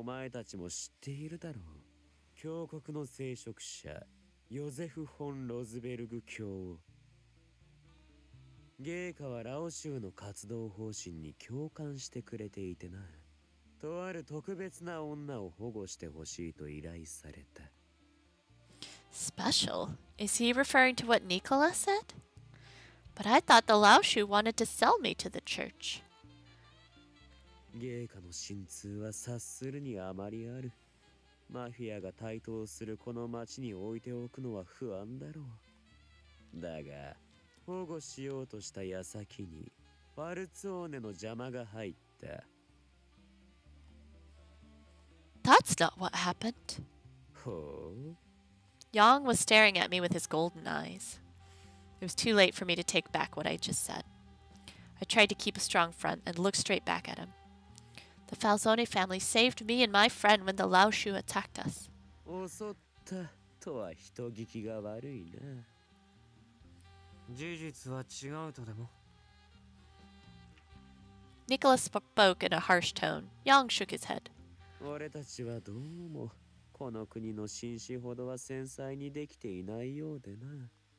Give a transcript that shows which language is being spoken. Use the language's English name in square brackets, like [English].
[Japanese] お前たちも知っているだろう。教国の聖職者、ヨゼフ・フォン・ロズベルグ教を。ゲーカはラオ州の活動方針に共感してくれていてな。とある特別な女を保護してほしいと依頼された。 [English] Special? Is he referring to what Nicola said? But I thought the Lao Shu wanted to sell me to the church. [Japanese] ゲーカの心痛は察するにあまりある。マフィアが台頭するこの町に置いておくのは不安だろう。だが、保護しようとした矢先にファルツォーネの邪魔が入った。 [English] That's not what happened. [Japanese] ほう。 [English] Yang was staring at me with his golden eyes. It was too late for me to take back what I just said. I tried to keep a strong front and look straight back at him. The Falzoni family saved me and my friend when the Lao Shu attacked us. [Japanese] 襲ったとは人聞きが悪いな。事実は違うとでも。 [English] Nicola spoke in a harsh tone. Yang shook his head. [Japanese] 俺たちはどうも。この国の紳士ほどは繊細にできていないようでな。